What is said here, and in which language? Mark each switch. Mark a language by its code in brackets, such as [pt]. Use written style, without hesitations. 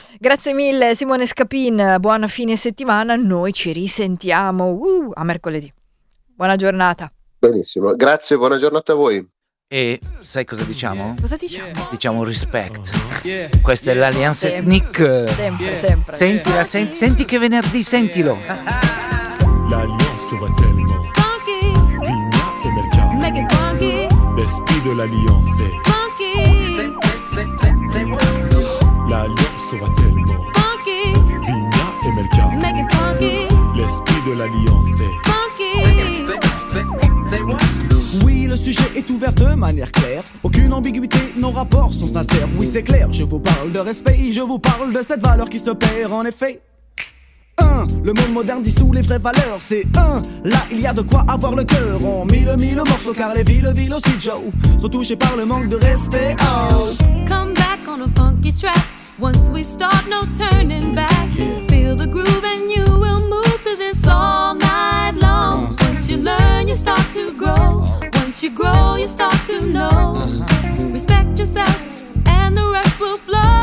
[it] Grazie mille Simone Scapin, buona fine settimana. Noi ci risentiamo a mercoledì. Buona giornata. Benissimo, grazie, buona giornata a voi. E sai cosa diciamo? Cosa diciamo? Diciamo respect. Questa è l'Alliance Ethnic. Sempre. Sentila, senti che venerdì, sentilo. [fr] L'Alliance va tellement [en] funky. [it] Vigna e Mercato. [en] Make it funky. [fr] L'esprit de l'Alliance [en] funky. [fr] L'Alliance va tellement [en] funky. [it] Vigna e Mercato. [en] Make it funky. [fr] L'esprit de l'Alliance [en] funky. [fr] Le sujet est ouvert de manière claire. Aucune ambiguïté, nos rapports sont sincères. Oui, c'est clair, je vous parle de respect. Je vous parle de cette valeur qui se perd en effet. 1. Le monde moderne dissout les vraies valeurs. C'est 1. Là, il y a de quoi avoir le cœur. En mille, mille morceaux, car les villes aussi, Joe, sont touchées par le manque de respect. Oh. [en] Come back on a funky track. Once we start, no turning back. Feel the groove and you will move to this all night long. Once you learn, you start to grow. You grow, you start to know. Uh-huh. Respect yourself, and the rest will flow.